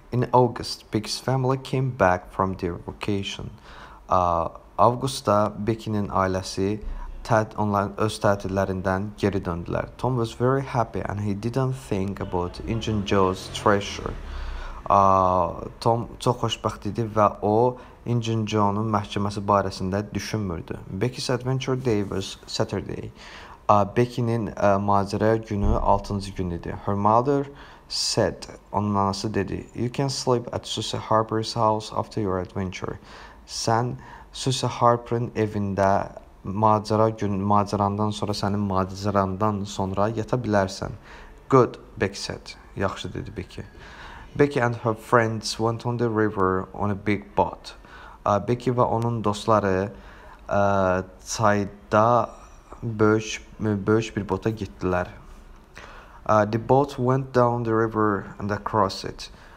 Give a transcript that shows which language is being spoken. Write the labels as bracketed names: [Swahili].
[English] In August, Becky's family came back from their vacation. [Azerbaijani] Avqustda Becky'nin ailəsi öz tətillərindən geri döndülər. [English] Tom was very happy and he didn't think about Injun Joe's treasure. [Azerbaijani] Tom çox xoşbəxt idi və o Injun Joe'nun məhkəməsi barəsində düşünmürdü. [English] Becky's Adventure Day was Saturday. [Azerbaijani] Becky'nin macera günü 6-cı gün idi. [English] Her mother said, [Azerbaijani] onun anası dedi, [English] You can sleep at Susie Harper's house after your adventure. [Azerbaijani] Sən Susie Harper'ın evində macerandan sonra yata bilərsən. [English] Good, Becky said. [Azerbaijani] Yaxşı dedi Becky. [English] Becky and her friends went on the river on a big boat. [Azerbaijani] Becky və onun dostları çayda böyük bir bota getdilər. [English] The boat went down the river and across it.